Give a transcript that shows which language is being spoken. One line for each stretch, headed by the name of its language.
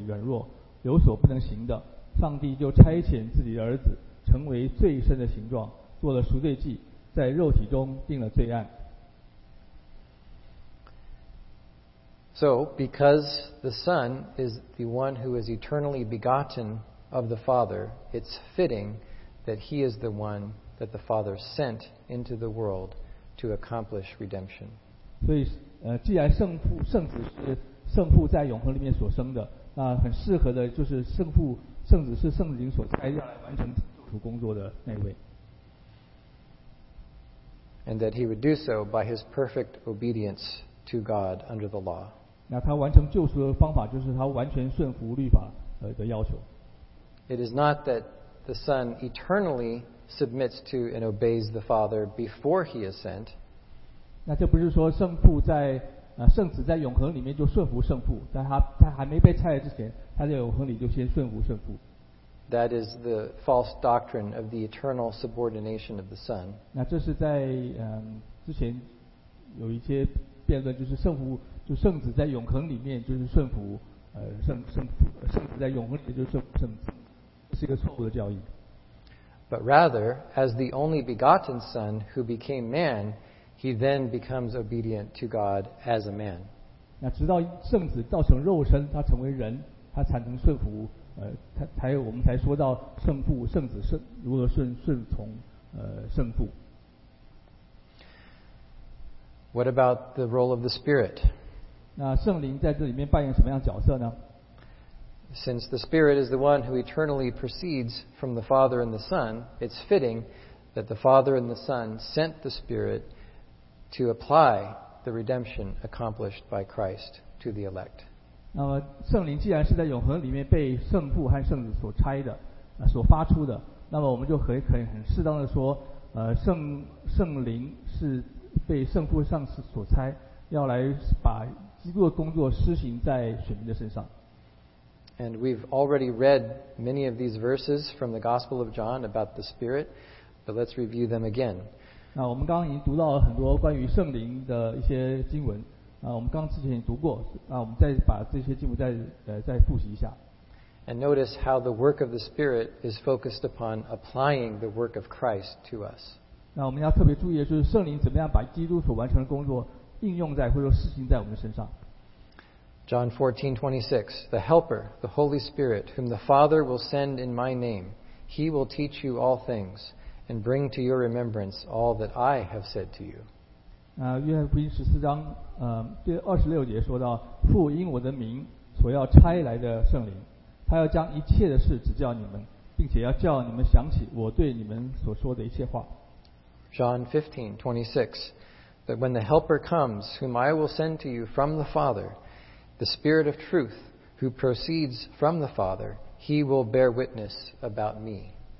Chinese: 基督的被动的顺服，就是他完成了律法的咒诅，担负了律法咒诅，是在罗马书第八章第三节，那里说到律法既因肉体软弱，有所不能行的。
English: So, because the Son is the one who is eternally begotten of the Father, it's fitting that He is the one that the Father sent into the world to accomplish redemption.
Chinese: 所以，既然圣父在永恒里面所生的，那很适合的就是圣父。
English: And that He would do so by His perfect obedience to God under the law.
Chinese: 那他完成救赎的方法就是他完全顺服律法的要求。
English: It is not that the Son eternally submits to and obeys the Father before He is sent.
Chinese: 那这不是说圣父在圣子在永恒里面就顺服圣父，在他还没被拆了之前，他在永恒里就先顺服圣父。
English: That is the false doctrine of the eternal subordination of the Son.
Chinese: 那这是在之前有一些辩论，就是圣父就圣子在永恒里面就是顺服圣子在永恒里面就是顺服圣子，是一个错误的教义。
English: But rather, as the only begotten Son who became man, he then becomes obedient to God as a man.
Chinese: 那直到圣子造成肉身，他成为人，他才能顺服。我们才说到圣父、圣子如何顺从圣父。
English: What about the role of the Spirit?
Chinese: 那圣灵在这里面扮演什么样的角色呢？
English: Since the Spirit is the one who eternally proceeds from the Father and the Son, it's fitting that the Father and the Son sent the Spirit to apply the redemption accomplished by Christ to the elect.
Chinese: 那么圣灵既然是在永恒里面被圣父和圣子所差的，所发出的，那么我们就可以很适当的说，圣灵是被圣父上师所差，要来把基督的工作施行在选民的身上。
English: And we've already read many of these verses from the Gospel of John about the Spirit, but let's review them again.
Chinese: 那我们刚刚已经读到了很多关于圣灵的一些经文，我们刚之前也读过，我们再把这些经文再复习一下。
English: And notice how the work of the Spirit is focused upon applying the work of Christ to us.
Chinese: 那我们要特别注意的就是圣灵怎么样把基督所完成的工作应用在或者施行在我们身上。
English: John 14:26, the Helper, the Holy Spirit, whom the Father will send in my name, he will teach you all things and bring to your remembrance all that I have said to you.
Chinese: 约翰福音十四章第二十六节说到，父因我的名所要差来的圣灵，他要将一切的事指教你们，并且要叫你们想起我对你们所说的一切话。
English: John 15:26, that when the Helper comes, whom I will send to you from the Father, the Spirit of Truth, who proceeds from the Father, he will bear witness about me.